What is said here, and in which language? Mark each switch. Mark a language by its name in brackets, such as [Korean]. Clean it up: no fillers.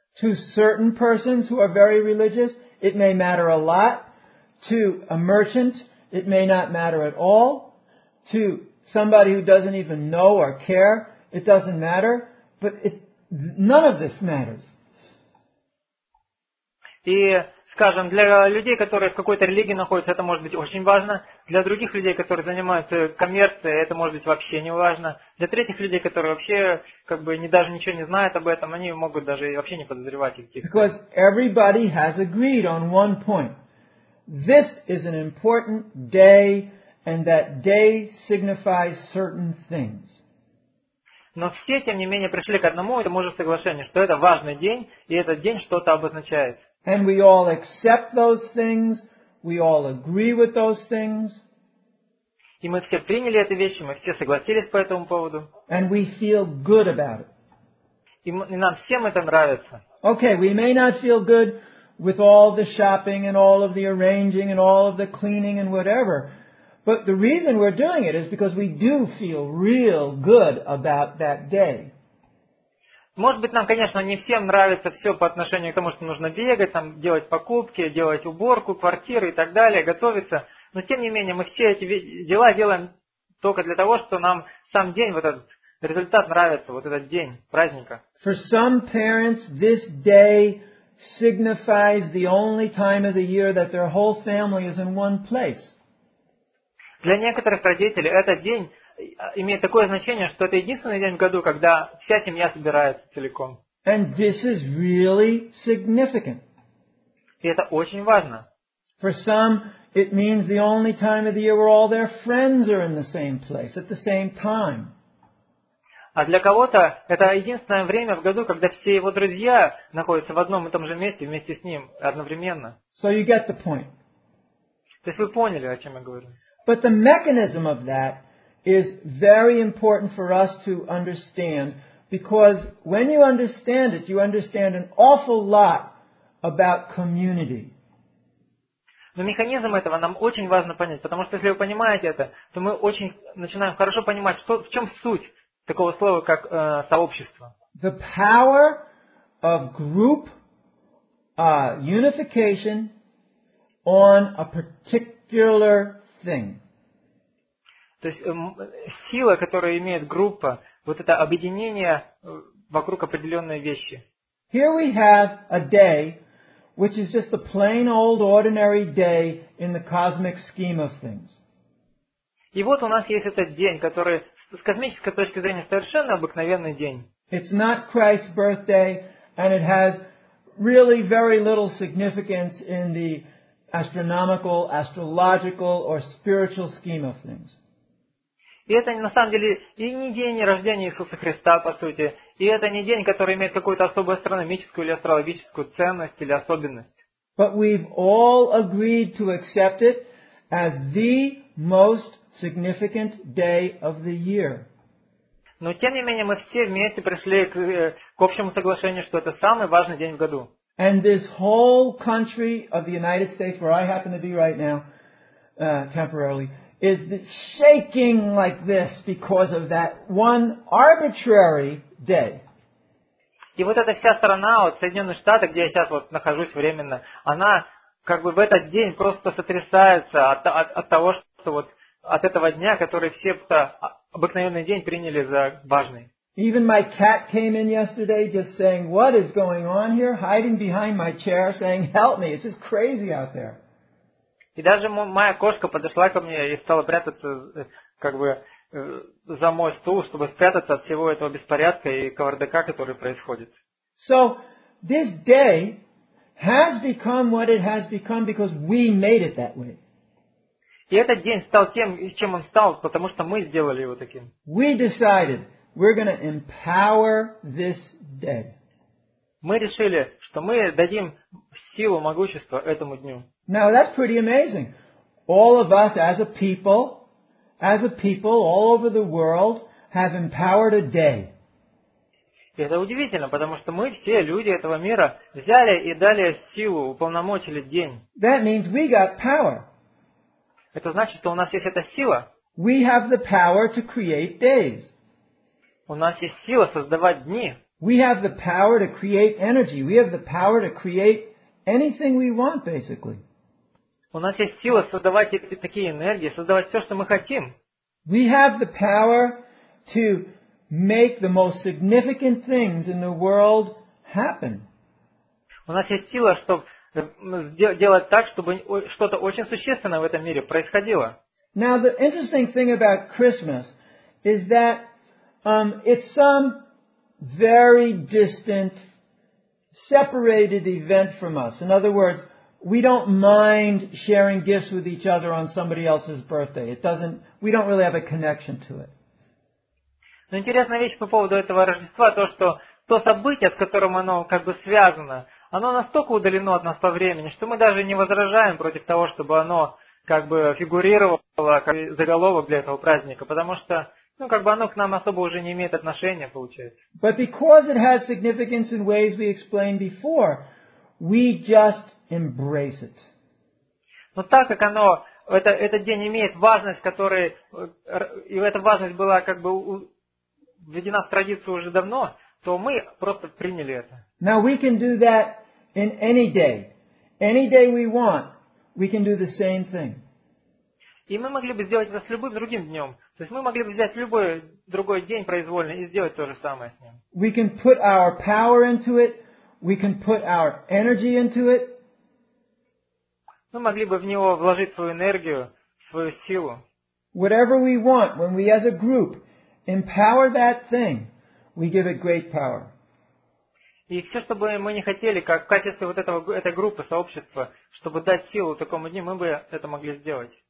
[English] To certain persons who are very religious, it may matter a lot. To a merchant, it may not matter at all. To somebody who doesn't even know or care, it doesn't matter. But none of this matters. [Russian] И скажем, для людей, которые в какой-то религии находятся, это может быть очень важно. Для других людей, которые занимаются коммерцией, это может быть вообще не важно. Для третьих людей, которые вообще как бы даже ничего не знают об этом, они могут даже вообще не подозревать их. [English] Because everybody has agreed on one point. This is an important day, and that day signifies certain things. [Russian] Но все, тем не менее, пришли к одному и тому же соглашению, что это важный день, и этот день что-то обозначает. [English] And we all accept those things, we all agree with those things. [Russian] И мы все приняли эти вещи, мы все согласились по этому поводу. [English] And we feel good about it. [Russian] И нам всем это нравится. [English] Okay, we may not feel good with all the shopping and all of the arranging and all of the cleaning and whatever. But the reason we're doing it is because we do feel real good about that day. [Russian] Может быть, нам, конечно, не всем нравится все по отношению к тому, что нужно бегать, там, делать покупки, делать уборку, квартиры и так далее, готовиться. Но, тем не менее, мы все эти дела делаем только для того, что нам сам день, вот этот результат нравится, вот этот день праздника. [English] For some parents, this day signifies the only time of the year that their whole family is in one place. [Russian] Для некоторых родителей этот день имеет такое значение, что это единственный день в году, когда вся семья собирается целиком. [English] And this is really significant. [Russian] И это очень важно. [English] For some, it means the only time of the year where all their friends are in the same place at the same time. [Russian] А для кого-то это единственное время в году, когда все его друзья находятся в одном и том же месте вместе с ним одновременно. [English] So you get the point. [Russian] То есть вы поняли, о чем я говорю. [English] But the mechanism of that is very important for us to understand, because when you understand it, you understand an awful lot about community. [Russian] Но механизм этого нам очень важно понять, потому что если вы понимаете это, то мы очень начинаем хорошо понимать, что, в чем суть такого слова, как сообщество. [English] The power of group unification on a particular thing. [Russian] То есть сила, которую имеет группа, вот это объединение вокруг определенной вещи. [English] Here we have a day, which is just a plain old ordinary day in the cosmic scheme of things. [Russian] И вот у нас есть этот день, который с космической точки зрения совершенно обыкновенный день. [English] It's not Christ's birthday, and it has really very little significance in the astronomical, astrological, or spiritual scheme of things. [Russian] И это на самом деле и не день рождения Иисуса Христа, по сути, и это не день, который имеет какую-то особую астрономическую или астрологическую ценность или особенность. [English] But we've all agreed to accept it as the most significant day of the year. [Russian] Но тем не менее мы все вместе пришли к общему соглашению, что это самый важный день в году. [English] And this whole country of the United States, where I happen to be right now, temporarily, is shaking like this because of that one arbitrary day. [Russian] И вот эта вся страна, вот Соединенные Штаты, где я сейчас вот нахожусь временно, она как бы в этот день просто сотрясается от того, что вот от этого дня, который все обыкновенный день приняли за важный. [English] Even my cat came in yesterday just saying, "What is going on here?" Hiding behind my chair saying, "Help me, it's just crazy out there." [Russian] И даже моя кошка подошла ко мне и стала прятаться как бы за мой стул, чтобы спрятаться от всего этого беспорядка и кавардака, который происходит. [English] So this day has become what it has become because we made it that way. [Russian] И этот день стал тем, чем он стал, потому что мы сделали его таким. [English] We decided we're going to empower this day. [Russian] Мы решили, что мы дадим силу, могущество этому дню. [English] Now that's pretty amazing. All of us as a people all over the world have empowered a day. [Russian] Это удивительно, потому что мы все люди этого мира взяли и дали силу, уполномочили день. [English] That means we got power. [Russian] Это значит, что у нас есть эта сила. [English] We have the power to create days. [Russian] У нас есть сила создавать дни. [English] We have the power to create energy. We have the power to create anything we want, basically. [Russian] У нас есть сила создавать такие энергии, создавать все, что мы хотим. [English] We have the power to make the most significant things in the world happen. [Russian] У нас есть сила, чтобы делать так, чтобы что-то очень существенное в этом мире происходило. [English] Now, the interesting thing about Christmas is that it's some very distant, separated event from us. In other words, we don't mind sharing gifts with each other on somebody else's birthday. We don't really have a connection to it. [Russian] Но интересная вещь по поводу этого Рождества, то, что то событие, с которым оно как бы связано, оно настолько удалено от нас по времени, что мы даже не возражаем против того, чтобы оно как бы фигурировало как заголовок для этого праздника, потому что ну, как бы оно к нам особо уже не имеет отношения, получается. [English] But because it has significance in ways we explained before, we just embrace it. [Russian] Но так как оно, этот день имеет важность, которая, и эта важность была как бы введена в традицию уже давно, то мы просто приняли это. [English] Now we can do that in any day. Any day we want, we can do the same thing. [Russian] И мы могли бы сделать это с любым другим днем. То есть мы могли бы взять любой другой день произвольно и сделать то же самое с ним. [English] We can put our power into it. We can put our energy into it. [Russian] Мы могли бы в него вложить свою энергию, свою силу. [English] Whatever we want, when we as a group empower that thing, we give it great power. [Russian] И все, что бы мы не хотели, как в качестве вот этой группы, сообщества, чтобы дать силу такому дню, мы бы это могли сделать.